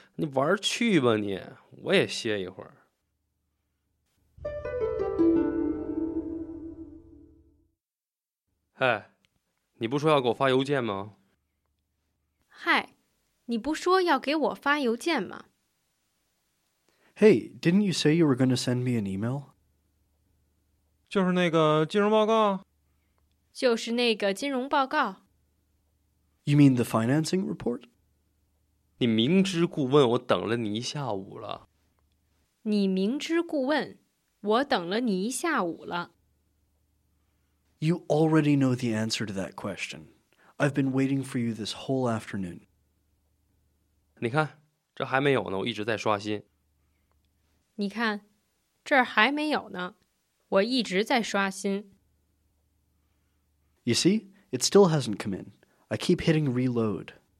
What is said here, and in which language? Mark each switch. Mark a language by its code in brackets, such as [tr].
[zh] 你玩去吧你，我也歇一会儿。哎，你不说要给我发邮件吗？嗨。你不说要给我发邮件吗? [en] Hey, didn't you say you were going to send me an email? [zh] 就是那个金融报告。就是那个金融报告。 [en] You mean the financing report? [zh] 你明知故问，我等了你一下午了。你明知故问，我等了你一下午了。 [en] You already know the answer to that question. I've been waiting for you this whole afternoon. [zh] 你看，这还没有呢，我一直在刷新。你看，这还没有呢，我一直在刷新。 [en] You see, it still hasn't come in. I keep hitting reload.